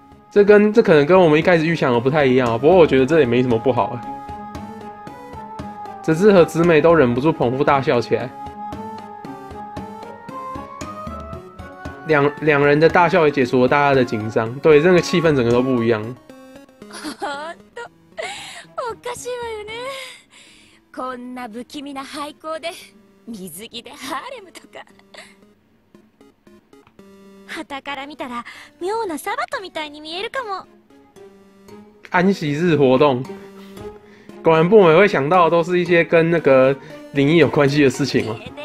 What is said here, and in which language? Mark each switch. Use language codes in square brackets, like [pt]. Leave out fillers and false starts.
[zh] 这可能跟我们一开始预想的不太一样，不过我觉得这也没什么不好。泽之和紫美都忍不住捧腹大笑起来。两人的大笑也解除了大家的紧张，对，这个气氛整个都不一样。 [ja] おかしいわよね。こんな不気味な廃校で水着でハーレムとか。旗から見たら妙なサバトみたいに見えるかも。 [zh] 安息日活动，果然不美会想到的都是一些跟那个灵异有关系的事情吗？